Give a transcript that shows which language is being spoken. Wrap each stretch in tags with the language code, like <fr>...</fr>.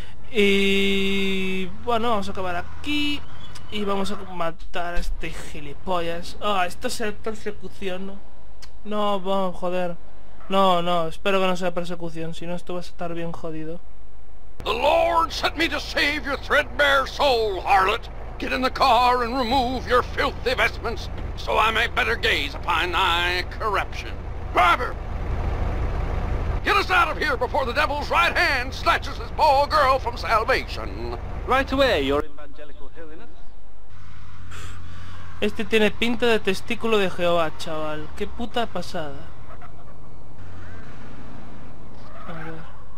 <es>Y bueno, vamos a acabar aquí y vamos a matar a este gilipollas. Ah, oh, esto sea persecución, ¿no? No, bueno, joder. No, espero que no sea persecución, si no esto va a estar bien jodido.</es> <en>The Lord sent me to save your threadbare soul, harlot. Get in the car and remove your filthy vestments so I may better gaze upon thy corruption. Driver! Get us out of here before the devil's right hand snatches this poor girl from salvation. Right away, your evangelical holiness.</en> <es>Este tiene pinta de testículo de Jehová, chaval. Qué puta pasada. A ver.</es>